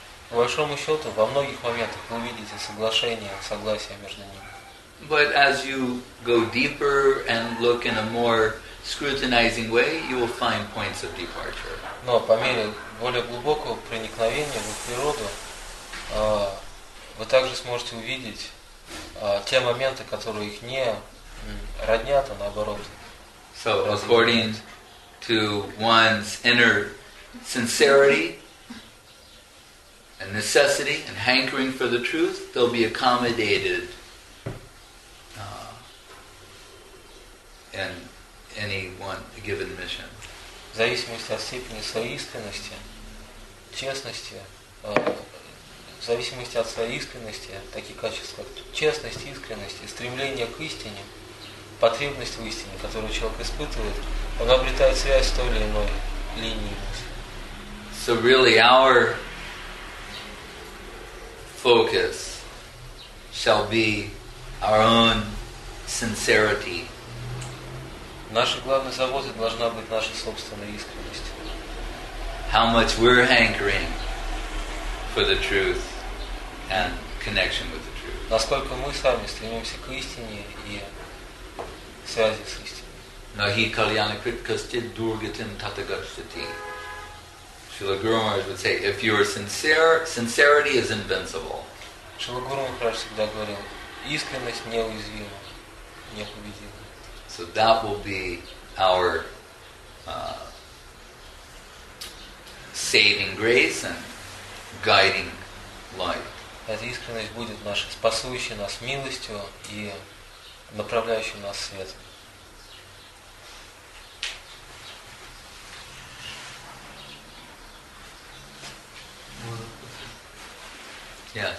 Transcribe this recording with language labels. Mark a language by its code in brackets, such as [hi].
[ru] По большому счету, во многих моментах вы увидите соглашение, согласие между ними. [en] But as you go deeper and look in a more scrutinizing way, you will find points of departure. [ru] Но по мере более глубокого проникновения в природу, вы также сможете увидеть те моменты, которые их не роднят, а наоборот. [en] So according to one's inner sincerity and necessity and hankering for the truth, they'll be accommodated in any one given mission. [ru] В зависимости от степени своей искренности, честности, в зависимости от своей искренности, такие качества, как честность, искренность, стремление к истине, потребность в истине, которую человек испытывает, он обретает связь с той или иной линией мысли. [en] So really our focus shall be our own sincerity. [ru] Нашей главной заботой должна быть наша собственная искренность. [en] How much we're hankering for the truth and connection with the truth. [ru] Насколько мы сами стремимся к истине и связи с истиной. [sa] Nahi kalyana kritkasti durgatim tatagatsati. [en] Srila Guru Maharaj would say, if you are sincere, sincerity is invincible. [ru] Srila Guru Maharaj всегда говорил, искренность неуязвима, непобедима. [en] So that will be our saving grace and guiding light. [ru] Эта искренность будет нашей спасающей нас милостью и направляющей нас светом. [en] Yeah.